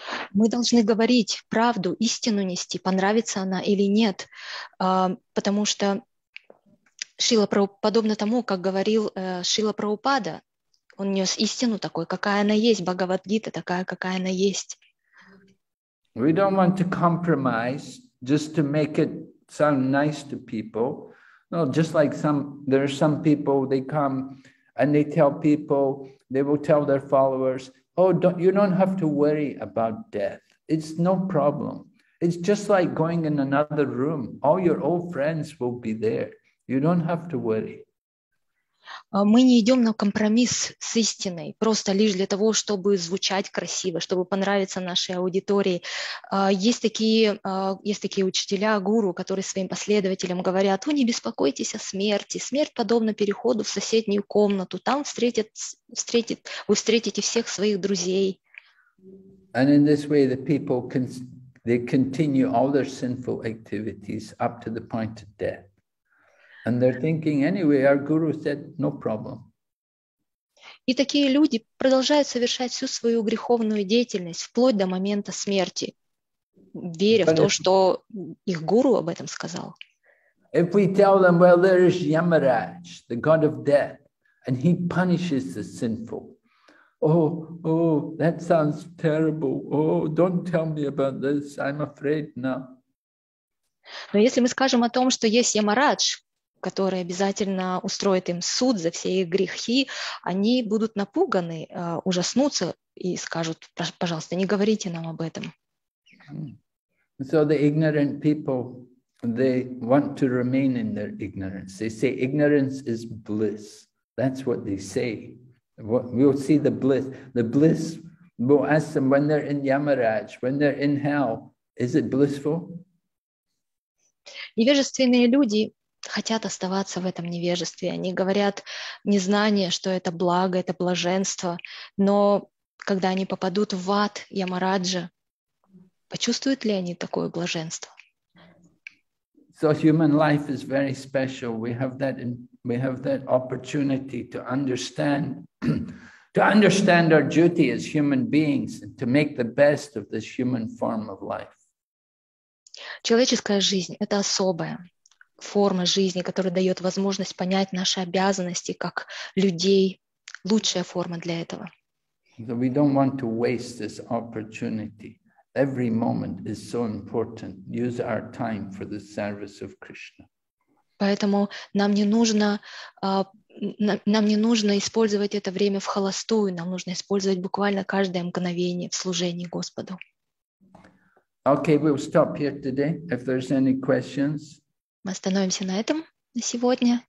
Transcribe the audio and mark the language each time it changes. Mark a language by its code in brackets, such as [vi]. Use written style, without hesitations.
[ru] Мы должны говорить правду, истину нести, понравится она или нет, потому что Шрила Прабхупада, подобно тому, как говорил Шрила Прабхупада, он нес истину такой, какая она есть, Бхагавад-гита такая, какая она есть. [en] We don't want to compromise just to make it sound nice to people. No, just like some, there are some people, they come and they tell people, they will tell their followers, oh, don't, you don't have to worry about death. It's no problem. It's just like going in another room. All your old friends will be there. You don't have to worry. [ru] Мы не идем на компромисс с истиной, просто лишь для того, чтобы звучать красиво, чтобы понравиться нашей аудитории. Есть такие учителя, гуру, которые своим последователям говорят, вы не беспокойтесь о смерти, смерть подобна переходу в соседнюю комнату, там вы встретите всех своих друзей. [en] And in this way the people can, they continue all their sinful activities up to the point of death. And they're thinking, anyway, our guru said, no problem. [ru] И такие люди продолжают совершать всю свою греховную деятельность вплоть до момента смерти, веря в то, что их гуру об этом сказал. [en] If we tell them, well, there is Yamaraj, the god of death, and he punishes the sinful. Oh, that sounds terrible. Oh, don't tell me about this. I'm afraid now. [ru] Но если мы скажем о том, что есть Ямарадж, который обязательно устроит им суд за все их грехи, они будут напуганы, ужаснутся и скажут, пожалуйста, не говорите нам об этом. [en] So the ignorant people, they want to remain in their ignorance. They say ignorance is bliss. That's what they say. We'll see the bliss. The bliss, we'll ask them when they're in Yamaraj, when they're in hell, is it blissful? [ru] Невежественные люди хотят оставаться в этом невежестве. Они говорят незнание, что это благо, это блаженство. Но когда они попадут в ад Ямараджа, почувствуют ли они такое блаженство? [en] So human life is very special. We have that opportunity to understand our duty as human beings and to make the best of this human form of life. [ru] Человеческая жизнь — это особая форма жизни, которая дает возможность понять наши обязанности как людей, лучшая форма для этого. [en] So we don't want to waste this opportunity. Every moment is so important. Use our time for the service of Krishna. [ru] Поэтому нам не нужно использовать это время вхолостую, нам нужно использовать буквально каждое мгновение в служении Господу. [en] Okay, we'll stop here today. If there's any questions. [ru] Мы остановимся на этом на сегодня.